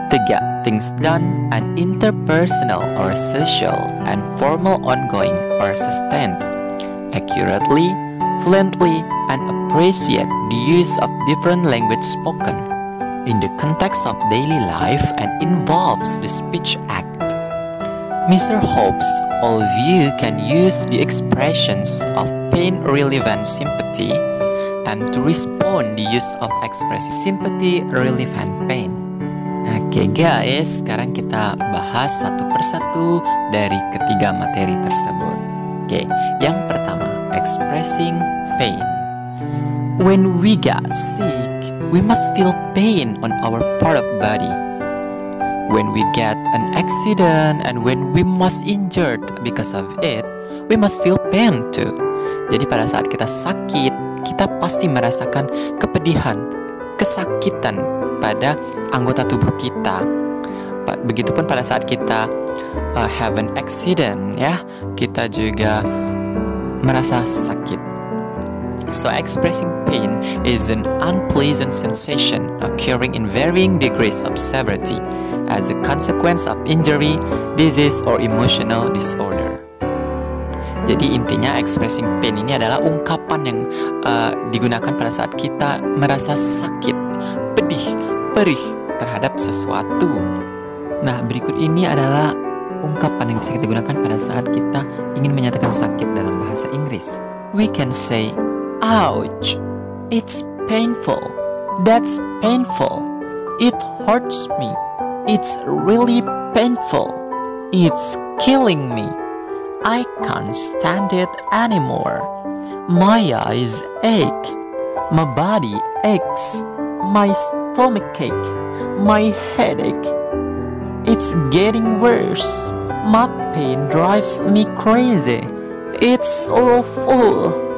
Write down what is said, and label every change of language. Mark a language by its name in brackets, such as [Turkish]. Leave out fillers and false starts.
[English] to get things done and interpersonal or social and formal ongoing or sustained accurately, fluently, and appreciate the use of different language spoken in the context of daily life and involves the speech act. Mr. hopes all of you can use the expressions of pain, relief, and sympathy and to respond the use of expressing sympathy, relief, and pain. Okay guys, [Indonesian] sekarang kita bahas satu persatu dari ketiga materi tersebut. [English] Okay, [Indonesian] yang pertama, [English] expressing pain. When we get sick, we must feel pain on our part of body. When we get an accident and when we must injured because of it, we must feel pain too. [Indonesian] Jadi pada saat kita sakit, kita pasti merasakan kepedihan, kesakitan pada anggota tubuh kita. Begitupun pada saat kita [English] have an accident, [Indonesian] ya, kita juga merasa sakit. [English] So expressing pain is an unpleasant sensation occurring in varying degrees of severity as a consequence of injury, disease, or emotional disorder. [Indonesian] Jadi intinya [English] expressing pain [Indonesian] ini adalah ungkapan yang digunakan pada saat kita merasa sakit, pedih, perih terhadap sesuatu. Nah, berikut ini adalah ungkapan yang bisa kita gunakan pada saat kita ingin menyatakan sakit dalam bahasa Inggris. [English] We can say, ouch, it's painful, that's painful, it hurts me, it's really painful, it's killing me, I can't stand it anymore, my eyes ache, my body aches, my stomach ache, my headache, it's getting worse, my pain drives me crazy, it's awful.